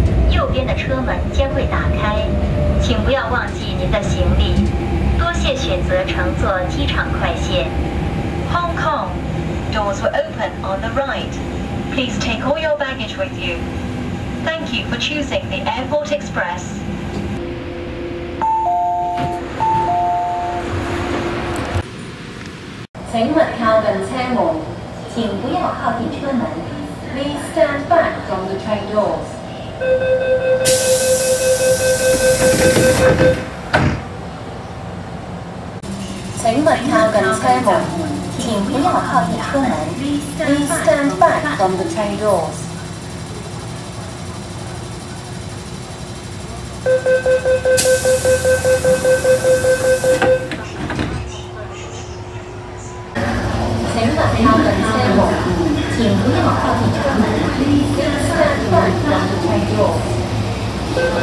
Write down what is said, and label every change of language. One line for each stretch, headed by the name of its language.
Chinese: 右边的车门将会打开，请不要忘记您的行李。多谢选择乘坐机场快线。
English: Hong Kong, doors will open on the right. Please take all your baggage with you. Thank you for choosing the Airport Express.
Chinese: 请勿靠近车门，请不要靠近车门。
English: Please stand back from the train doors.
Chinese: 请勿靠近车门，请不要靠近车门。
English: Please stand back from the train doors.
Chinese: 请勿靠近车门，请不要靠近车门。
English: Please stand back from the train doors.